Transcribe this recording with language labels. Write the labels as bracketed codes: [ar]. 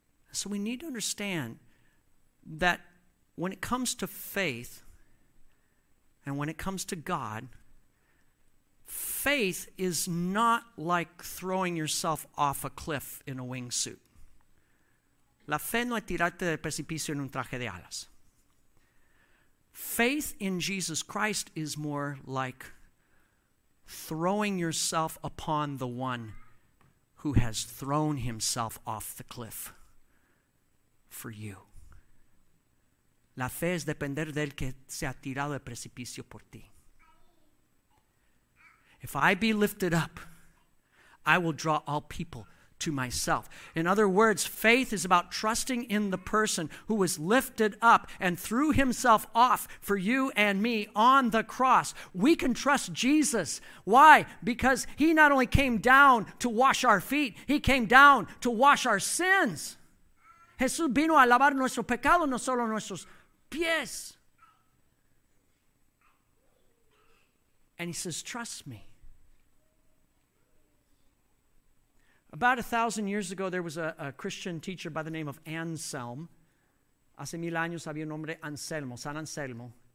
[en] So we need to understand that when it comes to faith and when it comes to God, faith is not like throwing yourself off a cliff in a wingsuit. [es] La fe no es tirarte del precipicio en un traje de alas. [en] Faith in Jesus Christ is more like throwing yourself upon the one who has thrown himself off the cliff for you. [es] La fe es depender del que se ha tirado el precipicio por ti. [en] If I be lifted up, I will draw all people to myself. In other words, faith is about trusting in the person who was lifted up and threw himself off for you and me on the cross. We can trust Jesus. Why? Because he not only came down to wash our feet, he came down to wash our sins. [es] Jesús vino a lavar nuestro pecado, no solo nuestros pies. [en] And he says, trust me. About 1,000 years ago, there was a Christian teacher by the name of Anselm. [es] Hace mil años había un hombre Anselmo, San Anselmo.